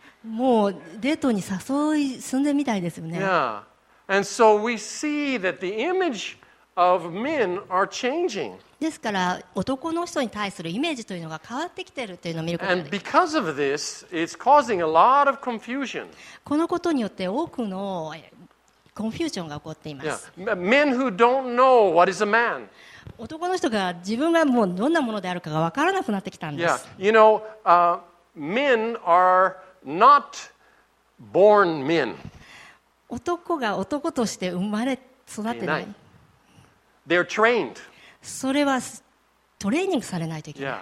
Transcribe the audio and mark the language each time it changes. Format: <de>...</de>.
<ja>もうデートに誘い進んでみたいですよね。</ja> <en>Yeah. And so we see that the image of men are changing.</en> <ja>ですから男の人に対するイメージというのが変わってきているというのを見ることができます。</ja> <en>And because of this, it's causing a lot of confusion.</en> <ja>このことによって多くのコンフュージョンが起こっています。</ja> <en>Men who don't know what is a man.</en> <ja>男の人が自分がもうどんなものであるかが分からなくなってきたんです。</ja> <en>Yeah. You know, men are not born men.</en> <ja>男が男として生まれ育てない。</ja> <en>They're trained.</en> <ja>それはトレーニングされないといけない。</ja>